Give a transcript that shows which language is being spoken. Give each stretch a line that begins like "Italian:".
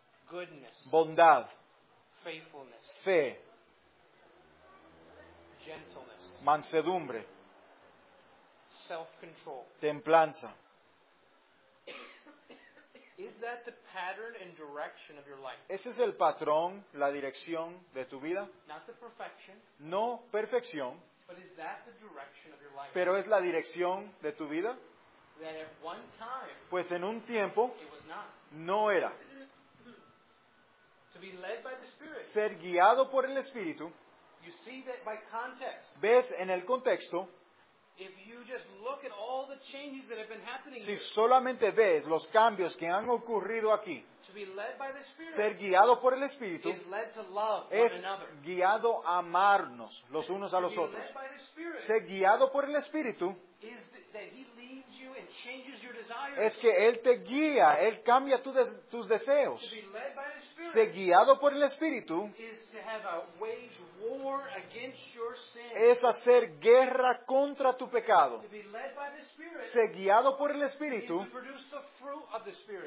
English: goodness,
Spanish: bondad,
English: faithfulness,
Spanish: fe,
English: gentleness,
Spanish: mansedumbre,
English: self-control,
Spanish: templanza.
English: Is that the pattern and direction of your life?
Spanish: ¿Ese es el patrón, la dirección de tu vida?
English: Not the perfection,
Spanish: no perfección,
English: but is that the direction of your life?
Spanish: ¿Pero es la dirección de tu vida?
English: That at one time,
Spanish: pues en un tiempo,
English: it was not.
Spanish: No era.
English: To be led by the Spirit,
Spanish: ser guiado por el Espíritu,
English: you see that by context,
Spanish: ves en el contexto.
English: If you just look at all the changes that have been happening,
Spanish: si solamente ves los cambios que han ocurrido aquí,
English: to be led by the Spirit,
Spanish: ser guiado por el Espíritu,
English: is led to love
Spanish: es
English: one another.
Spanish: Guiado a amarnos los unos a los otros.
English: Led by the Spirit,
Spanish: ser guiado por el Espíritu
English: is that He leads you and changes your desires.
Spanish: Es que Él te guía, Él cambia tus deseos.
English: To be led by the Spirit,
Spanish: ser guiado por el Espíritu
English: is to have a wage war against your sin.
Spanish: Es hacer guerra contra tu pecado.
English: To be led by the Spirit,
Spanish: ser guiado por el Espíritu
English: is to produce the fruit of the Spirit.